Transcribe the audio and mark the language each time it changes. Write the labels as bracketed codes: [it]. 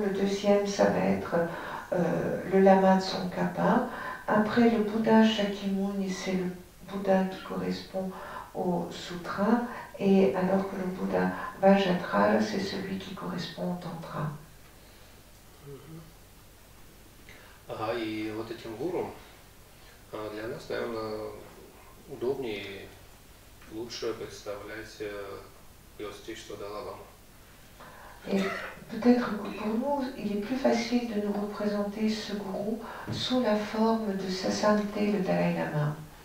[fr] Le deuxième, ça va être le lama de Tsongkhapa. Après, le Bouddha Shakyamuni, c'est le Bouddha qui correspond au sutra. Et alors que le Bouddha Vajradhara, c'est celui qui correspond au tantra. [ru] Ага, и вот этим гуру для нас, наверное, удобнее, лучше представлять его сотрудничество Далай-лама. [fr] Et peut-être que pour nous, il est plus facile de nous représenter ce gourou sous la forme de sa sainteté, le Dalai-lama.